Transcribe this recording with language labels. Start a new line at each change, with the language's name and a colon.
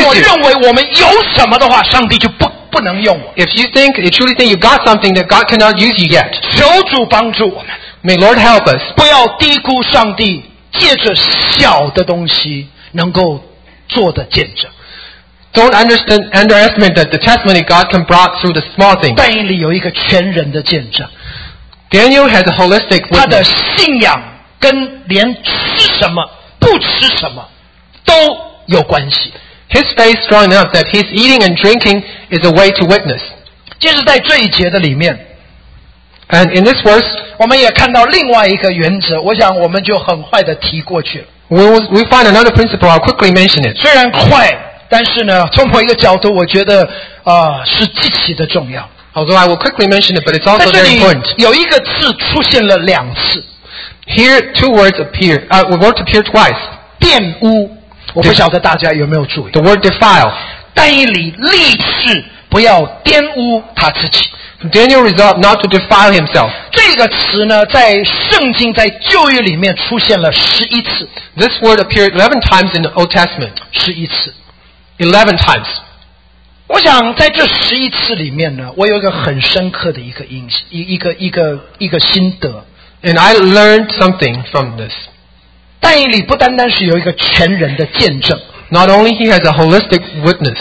Chinese: 若是你我认为我们有什么的话，上帝就不能用我。
English: If you think, you truly think you've got something that God cannot use you yet.
Chinese: 求主帮助我们。
English: May Lord help us.
Chinese: 不要低估上帝借着小的东西能够做的见证。
English: Don't underestimate that the testimony God can brought through the small things.
Chinese: 但以理有一个全人的见证。
English: Daniel has a holistic witness.
Chinese: 他的信仰跟连吃什么不吃什么都有关系。
English: His faith is strong enough that his eating and drinking is a way to witness.
Chinese: 就是在这一节的里面。
English: And in this verse,
Chinese: 我们也看到另外一个原则，我想我们就很快的提过去了。
English: We find another principle, I'll quickly mention it.
Chinese: 虽然快，但是呢，从某一个角度，我觉得是极其的重要。
English: Although I will quickly mention it, but it's also very important.
Chinese: 有一个字出现了两次。
English: Here, two words appear. The word appear twice.
Chinese: 玷污，我不晓得大家有没有注意。
English: The word defile.
Chinese: 但以理立誓不要玷污他自己。
English: Daniel resolved not to defile himself.
Chinese: 这个词呢，在圣经在旧约里面出现了十一次。
English: This word appeared 11 times in the Old Testament.
Chinese: 十一次。
English: 11 times.
Chinese: 我想在这十一次里面呢，我有一个很深刻的一个印象，一个心得。
English: And I learned something from this.
Chinese: 但以理不单单是有一个全人的见证。
English: Not only he has a holistic witness.